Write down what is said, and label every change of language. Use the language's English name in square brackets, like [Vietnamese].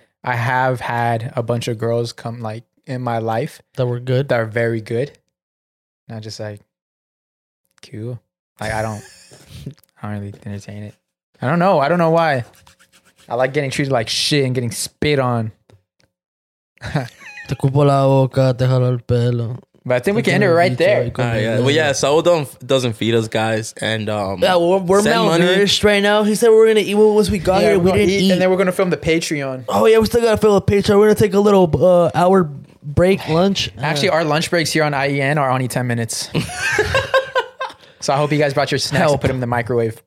[English] I have had a bunch of girls come like in my life. That were good. That are very good. And I just like, cool. Like, I don't really entertain it. I don't know. I don't know why. I like getting treated like shit and getting spit on. [Spanish] Te cupo la boca, te jalo el pelo. [English] But I think we can end it right there. Saul doesn't feed us, guys. And We're malnourished right now. He said we're going to eat what we got here. We didn't eat. And then we're going to film the Patreon. Oh, yeah. We still got to film the Patreon. We're going to take a little hour break, lunch. Actually, our lunch breaks here on IEN are only 10 minutes. So I hope you guys brought your snacks and put them in the microwave.